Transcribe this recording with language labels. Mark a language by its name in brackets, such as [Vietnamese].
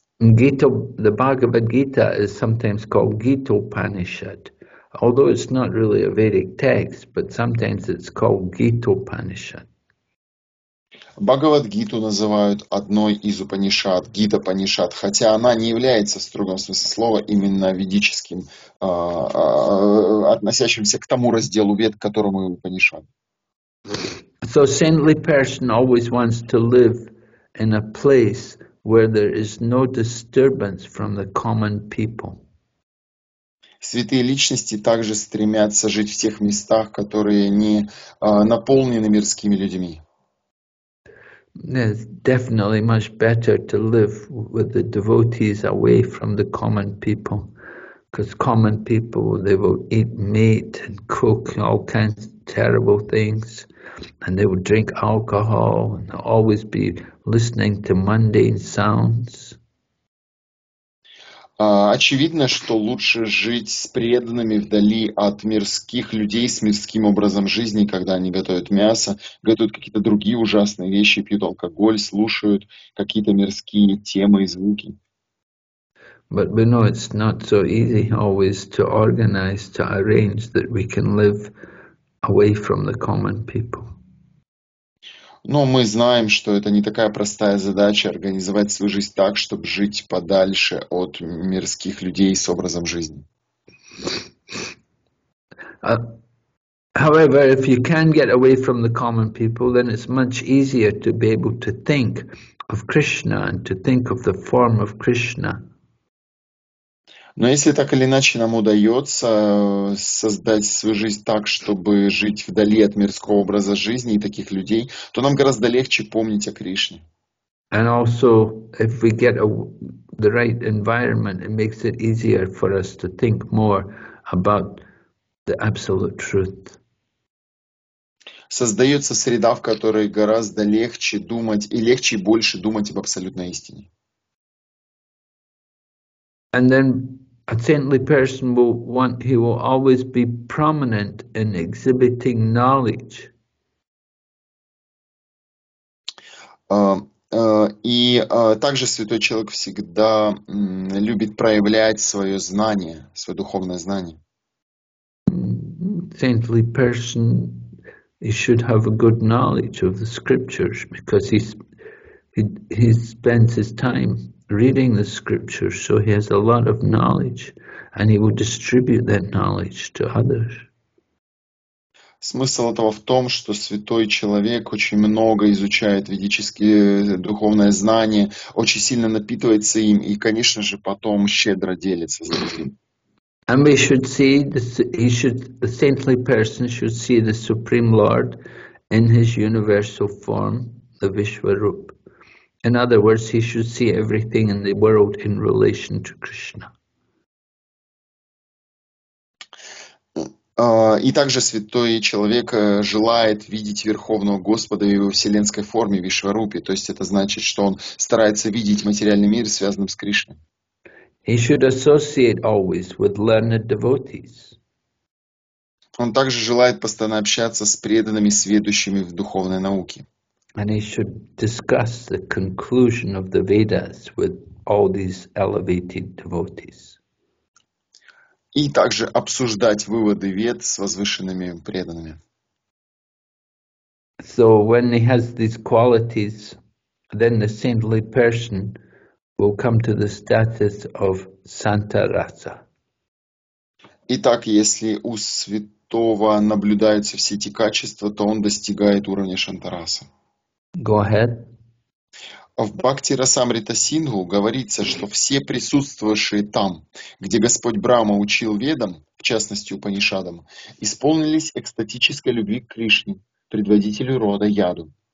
[English] The Bhagavad Gita is sometimes called Gita Upanishad. Although it's not really a Vedic text, but sometimes it's called Gita Upanishad. [Russian] Бхагавад Гиту называют одной из Упанишад, Гита Панишад, хотя она не является в строгом смысле слова именно ведическим, относящимся к тому разделу Вед, к которому и Упанишад. [English] So saintly person always wants to live in a place where there is no disturbance from the common people. [Russian] Святые личности также стремятся жить в тех местах, которые не наполнены мирскими людьми. [English] It's definitely much better to live with the devotees away from the common people, because common people, they will eat meat and cook all kinds of terrible things, and they will drink alcohol and always be listening to mundane sounds. [Russian] Очевидно, что лучше жить с преданными вдали от мирских людей, с мирским образом жизни, когда они готовят мясо, готовят какие-то другие ужасные вещи, пьют алкоголь, слушают какие-то мирские темы и звуки. [English] But we know it's not so easy always to organize, to arrange that we can live away from the common people. [Russian] Но мы знаем, что это не такая простая задача организовать свою жизнь так, чтобы жить подальше от мирских людей с образом жизни. [English] However, if you can get away from the common people, then it's much easier to be able to think of Krishna and to think of the form of Krishna. [Russian] Но если так или иначе нам удается создать свою жизнь так, чтобы жить вдали от мирского образа жизни и таких людей, то нам гораздо легче помнить о Кришне. [English] And also, if we get the right environment, it makes it easier for us to think more about the absolute truth. [Russian] Создается среда, в которой гораздо легче думать и легче и больше думать об абсолютной истине. [English] And then a saintly person will want, he will always be prominent in exhibiting knowledge. [Russian] Также святой человек всегда любит проявлять свое знание, свое духовное знание. [English] Saintly person, he should have a good knowledge of the scriptures because he's He spends his time reading the scriptures, so he has a lot of knowledge, and he will distribute that knowledge to others. [Russian] Смысл этого в том, что святой человек очень много изучает ведические духовные знания, очень сильно напитывается им и, конечно же, потом щедро делится с другими. [English] And we should see he should a saintly person should see the Supreme Lord in his universal form, the Vishwarupa. In other words, he should see everything in the world in relation to Krishna. [Russian] И также святой человек желает видеть Верховного Господа в его вселенской форме, Вишварупе. То есть это значит, что он старается видеть материальный мир, связанным с Кришной. [English] He should associate always with learned devotees. [Russian] Он также желает постоянно общаться с преданными, сведущими в духовной науке. [English] And he should discuss the conclusion of the Vedas with all these elevated devotees. [Russian] И также обсуждать выводы вед с возвышенными преданными. [English] So when he has these qualities, then the saintly person will come to the status of Santarasa. [Russian] Итак, если у святого наблюдаются все эти качества, то он достигает уровня Шантараса. [English] Go ahead. [Russian] В Бхакти Расамрита Сингху говорится, что все присутствовавшие там, где Господь Брахма учил ведам, в частности Упанишадам, исполнились экстатической любви к Кришне, предводителю рода Яду.